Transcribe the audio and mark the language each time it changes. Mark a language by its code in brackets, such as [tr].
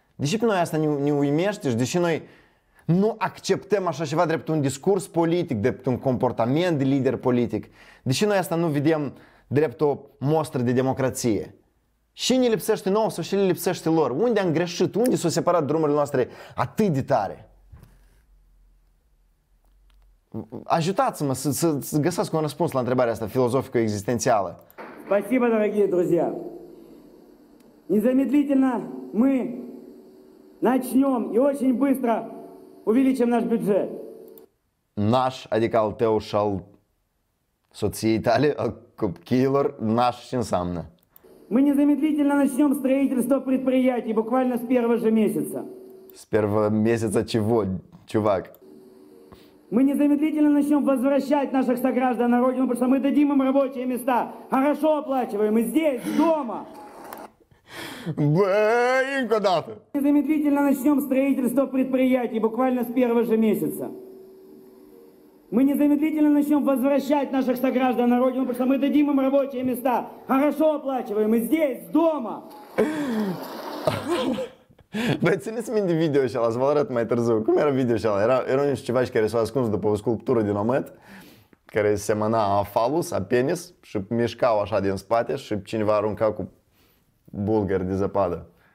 [ro] Deși pe noi asta ne uimește și deși noi nu acceptăm așa ceva drept un discurs politic, drept un comportament de lider politic, deși noi asta nu vedem drept o mostră de democrație? Și ne lipsește nouă sau și le lipsește lor? Unde am greșit? Unde s-au separat drumurile noastre atât de tare? Ajutați-mă să găsați un răspuns la întrebarea asta filozofică existențială. [ru] Спасибо, дорогие друзья. Незамедлительно мы начнем и очень быстро увеличим наш бюджет. [ro] Наш, adică al tău și al soției tale, copiilor, наш ce înseamnă? [ru] Мы незамедлительно начнем строительство предприятий буквально с первого же месяца. С первого месяца чего, чувак? Мы незамедлительно начнем возвращать наших сограждан на родину, потому что мы дадим им рабочие места. Хорошо оплачиваем, и здесь, дома. Блин, куда-то. Мы незамедлительно начнем строительство предприятий буквально с первого же месяца. Мы незамедлительно начнем возвращать наших сограждан на родину, потому что мы дадим им рабочие места. Хорошо оплачиваем, и здесь, дома. [ro] Băi, țineți minte video și ăla, să vă arăt mai târziu. Cum era video și ăla? Era niște ceva și care s-a ascuns după o sculptură din omăt, care semăna a falus, a penis, și mișcau așa din spate și cineva arunca cu bulgări de zăpadă.